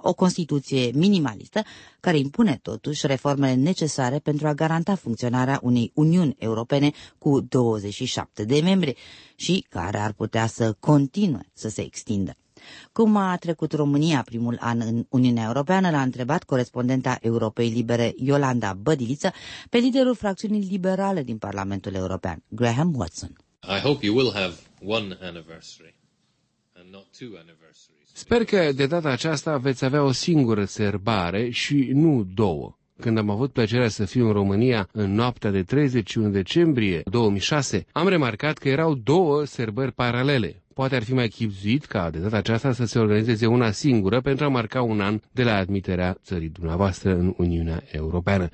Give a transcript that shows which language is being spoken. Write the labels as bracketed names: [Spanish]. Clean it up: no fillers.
[Romanian] O constituție minimalistă care impune totuși reformele necesare pentru a garanta funcționarea unei Uniuni Europene cu 27 de membri și care ar putea să continue să se extindă. Cum a trecut România primul an în Uniunea Europeană, l-a întrebat corespondenta Europei Libere, Iolanda Bădiliță, pe liderul fracțiunii liberale din Parlamentul European, Graham Watson. [English] I hope you will have one anniversary. [Romanian] Sper că de data aceasta veți avea o singură sărbare și nu două. Când am avut plăcerea să fiu în România în noaptea de 31 decembrie 2006, am remarcat că erau două sărbări paralele. Poate ar fi mai chipzuit ca de data aceasta să se organizeze una singură pentru a marca un an de la admiterea țării dumneavoastră în Uniunea Europeană.